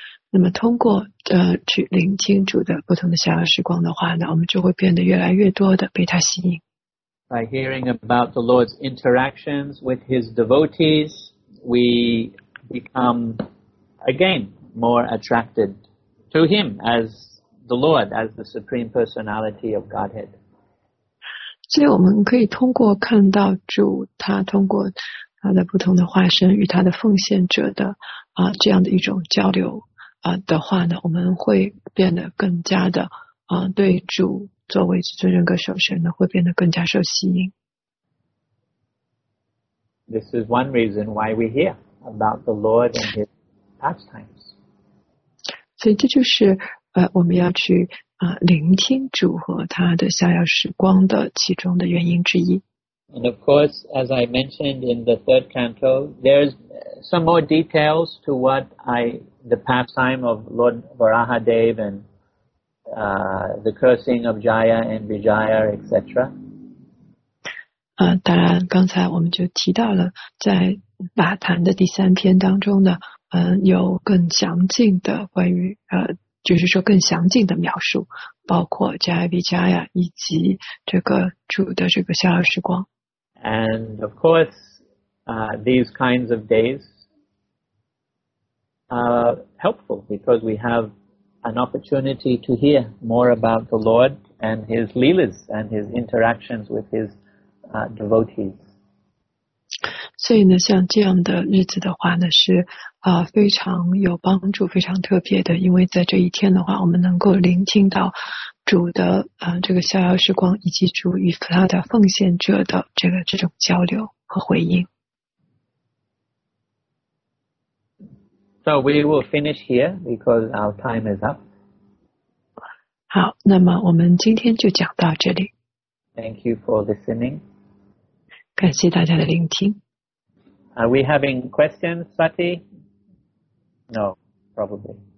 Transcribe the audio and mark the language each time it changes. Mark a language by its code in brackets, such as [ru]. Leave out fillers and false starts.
[zh] 那么通过去聆听主的不同的逍遥时光的话呢，我们就会变得越来越多的被他吸引。 [en] By hearing about the Lord's interactions with His devotees, we become again more attracted to Him as the Lord, as the Supreme Personality of Godhead. [zh] 所以我们可以通过看到主他通过他的不同的化身与他的奉献者的这样的一种交流的话呢，我们会变得更加的对主作为至尊人格首身呢会变得更加受吸引。 [en] This is one reason why we hear about the Lord and His pastimes. [zh] 所以这就是我们要去聆听主和他的逍遥时光的其中的原因之一。 [en] And of course, as I mentioned in the third canto, there's some more details to what the pastime of Lord Varahadev and the cursing of Jaya and Vijaya, etc. [zh] 当然，刚才我们就提到了，在瓦坛的第三篇当中呢，有更详尽的关于就是说更详尽的描述，包括 Jaya-Vijaya 以及这个主的这个逍遥时光。 [en] And of course, these kinds of days are helpful because we have an opportunity to hear more about the Lord and His leelas and His interactions with His devotees. [zh] 所以呢，像这样的日子的话呢，是非常有帮助，非常特别的，因为在这一天的话，我们能够聆听到主的这个逍遥时光，以及主与他的奉献者的这种交流和回应。 [en] So we will finish here because our time is up. [zh] 好，那么我们今天就讲到这里。 [en] Thank you for listening. [zh] 感谢大家的聆听。 [en] Are we having questions, Sati? No, probably.